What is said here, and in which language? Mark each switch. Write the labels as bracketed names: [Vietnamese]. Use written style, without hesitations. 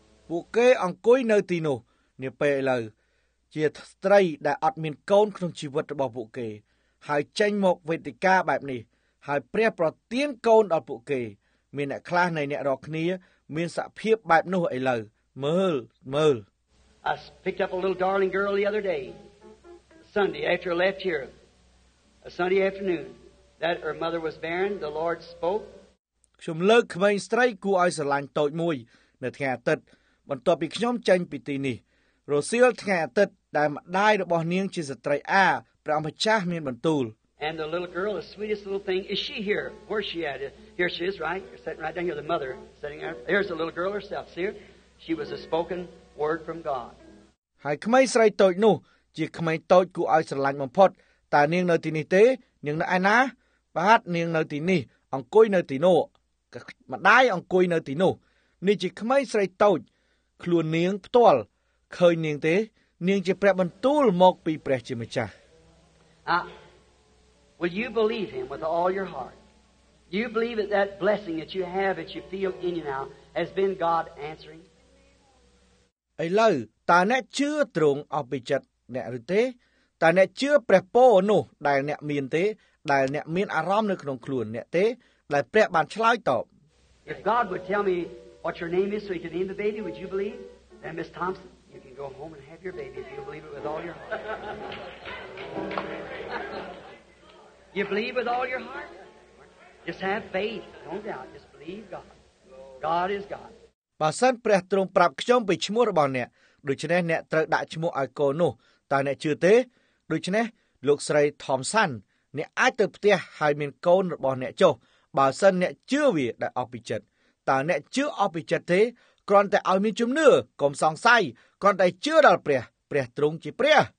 [Khmer] ពួកគេអង្គុយនៅទីនោះនាពេលឥឡូវជាស្ត្រីដែលអត់មានកូនក្នុងជីវិតរបស់ពួកគេហើយចេញមកវេទិកាបែបនេះហើយព្រះប្រទានកូនដល់ពួកគេមានអ្នកខ្លះនៃអ្នករាល់គ្នាមានសភាពបែបនោះឥឡូវមើល [English] I picked up a little darling girl the other day Sunday after I left here a Sunday afternoon that her mother was barren the Lord spoke [Khmer] ខ្ញុំលើកក្មេងស្រីគួរឲ្យស្រឡាញ់តូចមួយនៅថ្ងៃអាទិត្យបន្ទាប់ពីខ្ញុំចេញពីទីនេះរសៀលថ្ងៃអាទិត្យដែលម្ដាយរបស់នាងជាស្ត្រីអាព្រះម្ចាស់មានបន្ទូល [English] And the little girl the sweetest little thing is she here where she at here she is right you're sitting right down here the mother sitting there here's the little girl herself see her? she was a spoken word from god [Khmer] ហើយក្មេងស្រីតូចនោះជាក្មេងតូចគួរឲ្យស្រឡាញ់បំផុតតើនាងនៅទីនេះទេនាងនៅឯណាបាទនាងនៅទីនេះអង្គុយនៅទីនោះម្ដាយអង្គុយនៅទីនោះនេះជាក្មេងស្រីតូចខ្លួននាងផ្ទាល់ឃើញនាងទេនាងជាព្រះបន្ទូលមកពីព្រះជាម្ចាស់ [English] Will you believe him with all your heart? Do you believe that that blessing that you have that you feel in you now has been God answering? [Khmer] ឥឡូវតើអ្នកជឿទ្រង់អបិជិតអ្នកឬទេតើអ្នកជឿព្រះពរនោះដែលអ្នកមានទេដែលអ្នកមានអារម្មណ៍នៅក្នុងខ្លួនអ្នកទេដែលព្រះបានឆ្លើយតប [English] If God would tell me what your name is so he could name the baby would you believe? And Miss Thompson Go home and have your baby if you believe it with all your heart. You believe with all your heart? Just have faith. Don't doubt. Just believe God. God is God. [Khmer] បើសិនព្រះទ្រង់ប្រាប់ខ្ញុំពីឈ្មោះរបស់អ្នកដូច្នេះអ្នកត្រូវដាក់ឈ្មោះឲ្យកូននោះតើអ្នកជឿទេដូច្នេះលោកស្រី Thompson អ្នកអាចទៅផ្ទះឲ្យមានកូនរបស់អ្នកចុះបើសិនអ្នកជឿវាដែលអស់ពីចិត្តតើអ្នកជឿអស់ពីចិត្តទេគ្រាន់តែឲ្យមានជំនឿកុំសង្ស័យគ្រាន់តែជឿដល់ព្រះព្រះទ្រង់ជាព្រះ